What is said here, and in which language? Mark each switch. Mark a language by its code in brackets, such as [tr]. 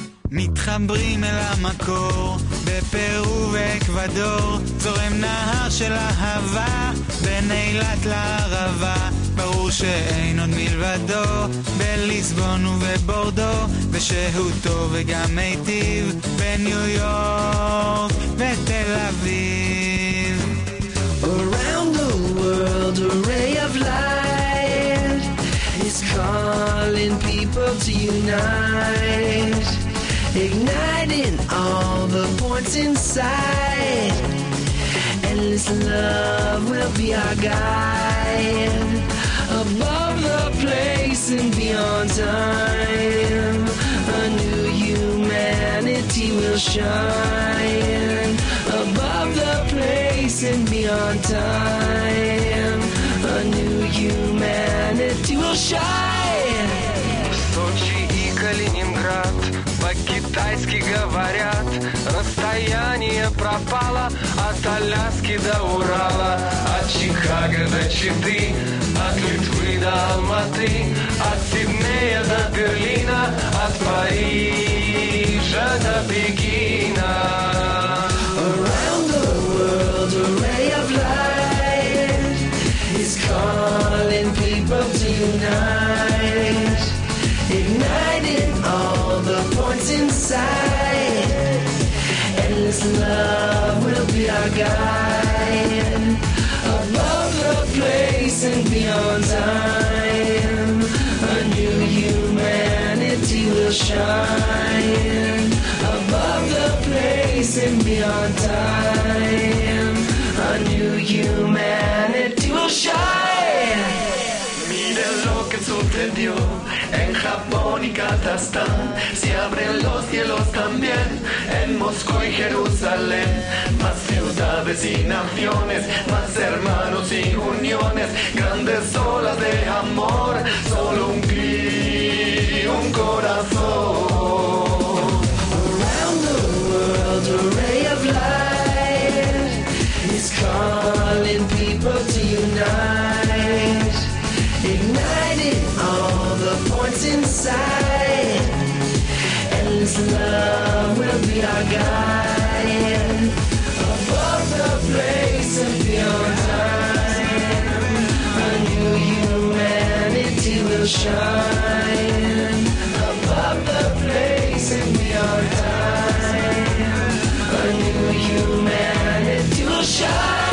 [he] מתחברים אל המקור בפרו ואקוודור, זורם נהר של אהבה בין אילת לערבה, ברור שאין עוד מלבדו בליסבון ובבורדו, ושהוא טוב וגם מיטיב בניו יורק ותל אביב. [en] Around the world a ray of light is calling people to unite, igniting all the points inside. Endless love will be our guide above the place and beyond time. A new humanity will shine above the place and beyond time. A new humanity will shine. [ru] Sochi и Калининград по-китайски говорят, расстояние пропало от Аляски до Урала, от Чикаго до Читы, от Литвы до Алматы, от Сиднея до Берлина, от Парижа до Пекина. [en] Around the world a ray of light is calling people to unite, igniting all the points inside. Endless love will be our guide above the place and beyond time. A new humanity will shine above the place and beyond time. A new humanity will shine. [es] Mira lo que sucedió en Japón y Kazajstán, se abren los cielos también en Moscú y Jerusalén, más ciudades y naciones, más hermanos y uniones, grandes olas de amor, solo un clic y un corazón. [en] Around the world a ray of light is calling people to unite, igniting inside. Endless love will be our guide above the place and beyond time. A new humanity will shine above the place and beyond time. A new humanity will shine.